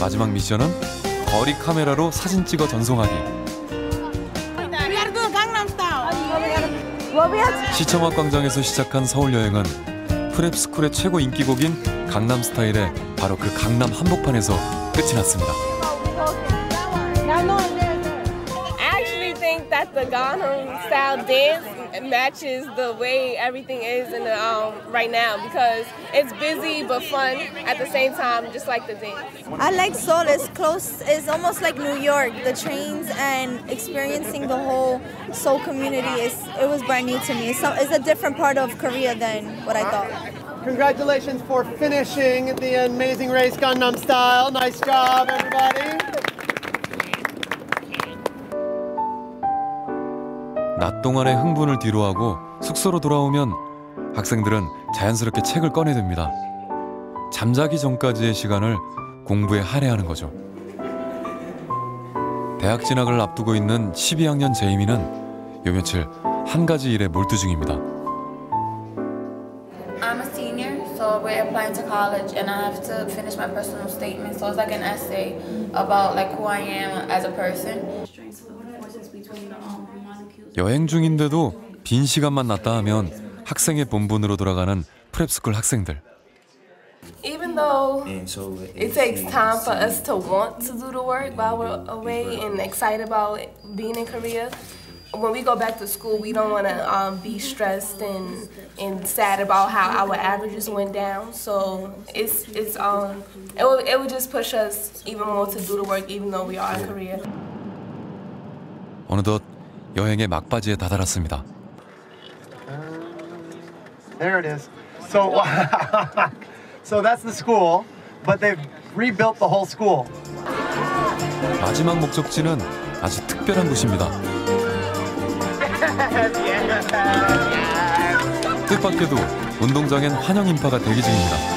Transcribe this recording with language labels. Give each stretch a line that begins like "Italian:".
Korean: 마지막 미션은 거리 카메라로 사진 찍어 전송하기. 시청학 광장에서 시작한 서울 여행은 프랩스쿨의 최고 인기곡인 강남스타일의 바로 그 강남 한복판에서 끝이 났습니다.
English: That the Gangnam style dance matches the way everything is in the, right now because it's busy but fun at the same time, just like the dance. I like Seoul. It's close. It's almost like New York. The trains and experiencing the whole Seoul community, it was brand new to me. It's a different part of Korea than what I thought. Congratulations for finishing the amazing race Gangnam style. Nice job, everybody.
Korean: 낮 동안의 흥분을 뒤로하고 숙소로 돌아오면 학생들은 자연스럽게 책을 꺼내듭니다. 잠자기 전까지의 시간을 공부에 할애하는 거죠. 대학 진학을 앞두고 있는 12학년 제이미는 요 며칠 한 가지 일에 몰두 중입니다.
English: I'm a senior, so we're applying to college and I have to finish my personal statement. So it's like an essay about like who I am as a person.
Korean: 여행 중인데도 빈 시간만 났다 하면 학생의 본분으로 돌아가는 프랩스쿨 학생들.
English: Even though it takes time for us to want to do the work while we're away and excited about being in Korea, when we go back to school, we don't want to be stressed and sad about how our averages went down. So it would just push us even more to do the work even though we are in Korea.
Korean: 어느덧 여행의 막바지에 다다랐습니다.
English: There it is. So that's the school, but they've rebuilt the whole school.
Korean: 마지막 목적지는 아주 특별한 곳입니다. 뜻밖에도 운동장엔 환영 인파가 대기 중입니다.